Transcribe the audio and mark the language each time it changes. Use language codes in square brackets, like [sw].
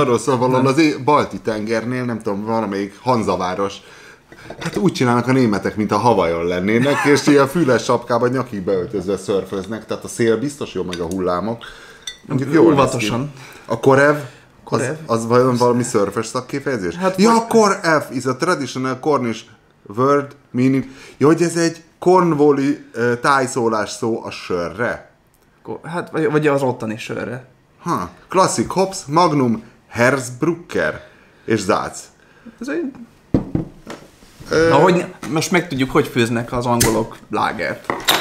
[hu] arról szól, valahol az balti tengernél, nem tudom, valamelyik Hanzaváros. Hát úgy csinálnak a németek, mint a Hawaiion lennének, és ilyen füles sapkában nyakig beöltözve szörföznek. Tehát a szél biztos jó, meg a hullámok. Óvatosan. A Korev? Az vajon valami szörfös szakkifejezés? Hát, ja, [en] Korev is a traditional Cornish word meaning. [hu] Jó, hogy ez egy Cornwall-i tájszólás szó a sörre. Hát, vagy az ottani sörre. Ha, klasszik hops, magnum, Herzbrucker és Zác. Ez egy... Na, most megtudjuk, hogy főznek az angolok lágert.